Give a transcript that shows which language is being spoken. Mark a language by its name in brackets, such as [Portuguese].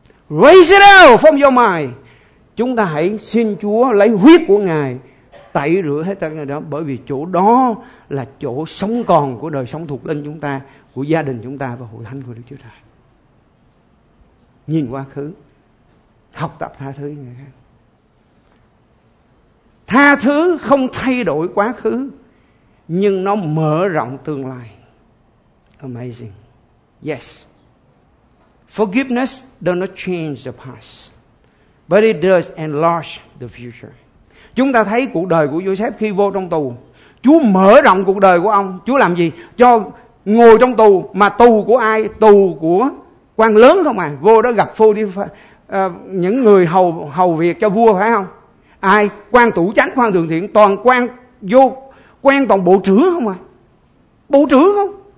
[English] Raise it out from your mind. [Vietnamese] Chúng ta hãy xin Chúa lấy huyết của Ngài tẩy rửa hết tất cả đó, bởi vì chỗ đó là chỗ sống còn của đời sống thuộc linh chúng ta, của gia đình chúng ta và hội thánh của Đức Chúa Trời. Nhìn quá khứ, học tập tha thứ người khác. Tha thứ không thay đổi quá khứ, nhưng nó mở rộng tương lai. [English] Amazing. Yes. Forgiveness does not change the past, but it does enlarge the future. [Vietnamese] Chúng ta thấy cuộc đời của Joseph khi vô trong tù, Chúa mở rộng cuộc đời của ông. Chúa làm gì? Cho ngồi trong tù, mà tù của ai? Tù của quan lớn không à? Vô đó gặp những người hầu việc cho vua, phải không? Ai? Quan tủ chánh, quan thường thiện, toàn quan vô, quen toàn bộ trưởng không à? Bộ trưởng không?